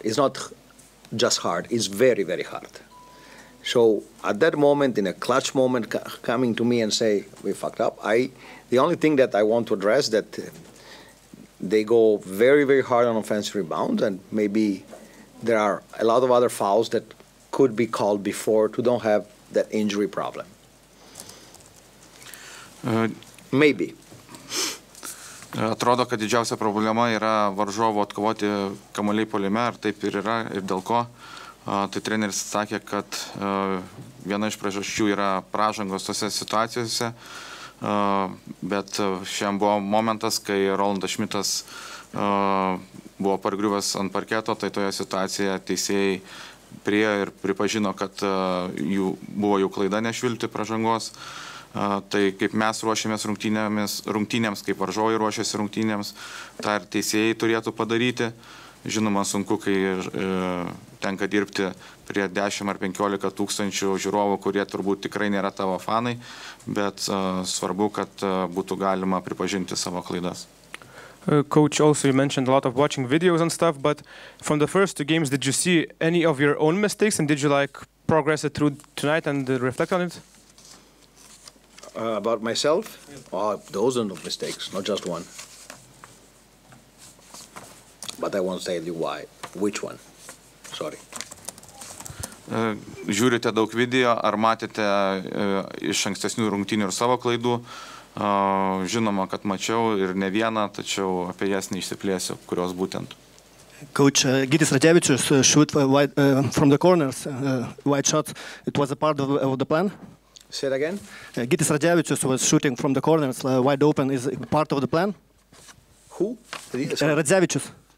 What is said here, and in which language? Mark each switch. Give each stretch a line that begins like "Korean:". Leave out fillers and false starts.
English: It's not just hard. It's very, very hard. So at that moment, in a clutch moment, coming to me and say, we fucked up, the only thing that I want to address that they go very, very hard on offensive rebounds, and maybe there are a lot of other fouls that could be called before to don't have that injury problem. Maybe.
Lithuanian: Atrodo, kad didžiausia problema yra varžovo atkovoti kamuoliai polime, ar taip ir yra, ir dėl ko. Tai treneris sakė, kad viena iš priežasčių yra pražangos tose situacijose, bet šiandien buvo momentas, kai Rolandas Šmitas buvo pargriuvęs ant parketo, tai toje situacijoje teisėjai priejo ir pripažino, kad buvo jų klaida nešvilti pražangos. Tai kaip mes ruošėmės rungtynėms, kaip varžovai ruošėsi rungtynėms, tą ir teisėjai turėtų padaryti. Žinoma, sunku, kai tenka dirbti prie 10 ar 15 tūkstančių žiūrovų, kurie turbūt tikrai nėra tavo fanai, bet svarbu, kad būtų galima pripažinti savo klaidas.
English: Coach, also you mentioned a lot of watching videos and stuff, but from the first two games, did you see any of your own mistakes and did you like progress it through tonight and reflect on it? About myself? Oh, dozens of mistakes, not just one. But I won't tell you why. Which one? Sorry.
Lithuanian: Žiūrite daug video, ar matėte iš ankstesnių rungtynių ir savo klaidų? Žinoma, kad mačiau ir ne vieną, tačiau apie jas neišsiplėsiu, kurios būtent.
English: Coach, Gytis Radzevičius shoot from the corners, wide shot. It was a part of the plan? Say it again? Gytis Radzevičius was shooting from the corners, wide open. Is it part of the plan? Who? Radzevičius.